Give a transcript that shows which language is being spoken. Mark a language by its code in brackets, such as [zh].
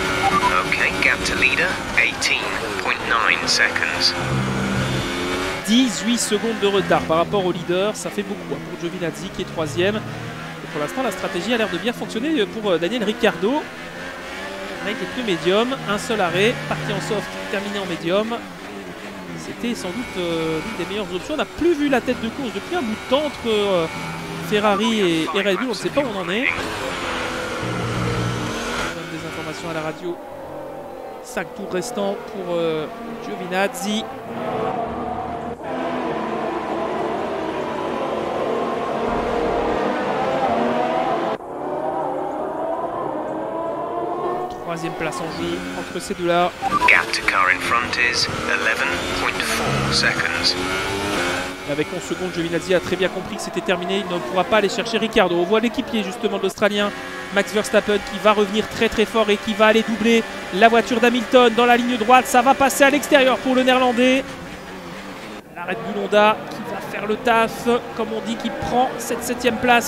[en] Ok, gap to leader, 18.9 seconds. [fr] 18 secondes de retard par rapport au leader, ça fait beaucoup pour Giovinazzi qui est troisième. Et pour l'instant, la stratégie a l'air de bien fonctionner pour Daniel Ricciardo. Là, il est plus médium, un seul arrêt, parti en soft, terminé en médium. C'était sans doute l'une des meilleures options. On n'a plus vu la tête de course depuis un bout de temps entre Ferrari et Red Bull. On ne sait pas où on en est. On donne des informations à la radio. 5 tours restants pour Giovinazzi. Troisième place en jeu entre ces deux-là. [en] Gap to car in front is 11.4 seconds. [fr] Avec 11 secondes, Giovinazzi a très bien compris que c'était terminé. Il ne pourra pas aller chercher Ricciardo. On voit l'équipier justement de l'Australien, Max Verstappen, qui va revenir très très fort et qui va aller doubler la voiture d'Hamilton dans la ligne droite. Ça va passer à l'extérieur pour le Néerlandais. L'arrêt de Honda qui va faire le taf, comme on dit, qui prend cette 7ème place.